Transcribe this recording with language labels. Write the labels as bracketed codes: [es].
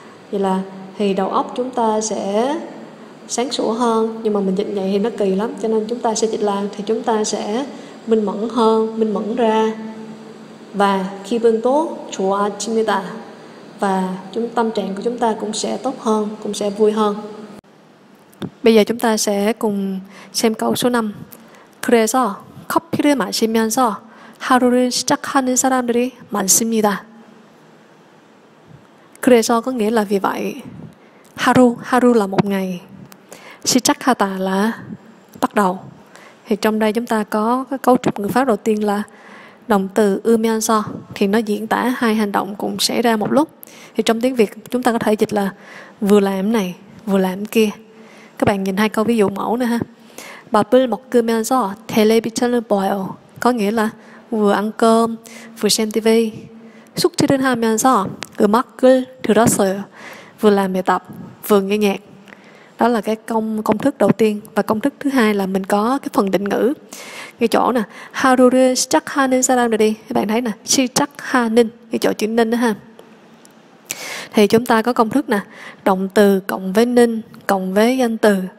[vi] Vậy là thì đầu óc chúng ta sẽ sáng sủa hơn, nhưng mà mình dịch vậy thì nó kỳ lắm, cho nên chúng ta sẽ dịch là thì chúng ta sẽ minh mẫn hơn, minh mẫn ra và khi bên tốt chùa chimita và chúng tâm trạng của chúng ta cũng sẽ tốt hơn, cũng sẽ vui hơn. Bây giờ chúng ta sẽ cùng xem câu số 5. [ko] 그래서 커피를 마시면서 하루를 시작하는 사람들이 많습니다. [vi] 그래서 có nghĩa là vì vậy. 하루, 하루 là một ngày. 시작하다 là bắt đầu. Thì trong đây chúng ta có cái cấu trúc ngữ pháp đầu tiên là động từ 으면서 thì nó diễn tả hai hành động cùng xảy ra một lúc. Thì trong tiếng Việt chúng ta có thể dịch là vừa làm này, vừa làm kia. Các bạn nhìn hai câu ví dụ mẫu nữa ha. [ko] 밥을 먹으면서 텔레비전을 봐요. [vi] Có nghĩa là vừa ăn cơm, vừa xem TV. [ko] 숙제를 하면서 음악을 들었어요. [vi] Vừa làm bài tập, vừa nghe nhạc. Đó là cái công thức đầu tiên. Và công thức thứ hai là mình có cái phần định ngữ. Cái chỗ nè, [ko] 하루를 시작하는 사람들이. [vi] Các bạn thấy nè, 시작하는, cái chỗ chữ 는 ha. Thì chúng ta có công thức nè, động từ cộng với 는 cộng với danh từ.